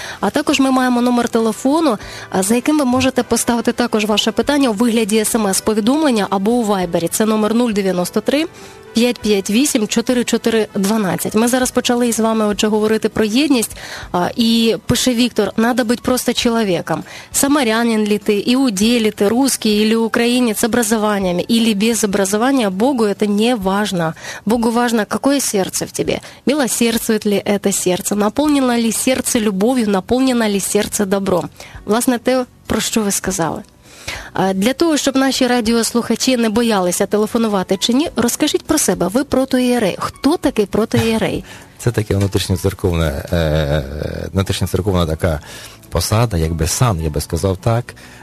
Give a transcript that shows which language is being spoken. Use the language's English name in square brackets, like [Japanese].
[Ukrainian] А також ми маємо номер телефону, за яким ви можете поставити також ваше питання у вигляді смс-повідомлення або у вайбері. Це номер 093-558-4412. Ми зараз почали із вами, отже, говорити про єдність. І пише Віктор, надо бути просто чоловіком. [Russian] Самарянин ли ти, іудей ли ти, русский или українець, образованням, или без образования, Богу это не важно. Богу важно, какое сердце в тебе. Милосердствует ли это сердце? Наполнено ли сердце любовью? Наполнено ли сердце добром? [Ukrainian] Власне, те, про що ви сказали. Для того, щоб наші радіослухачі не боялися телефонувати чи ні, розкажіть про себе. Ви протоієрей. Хто такий протоієрей? Це таке внутрішньоцерковна така посада, якби сан, я би сказав так.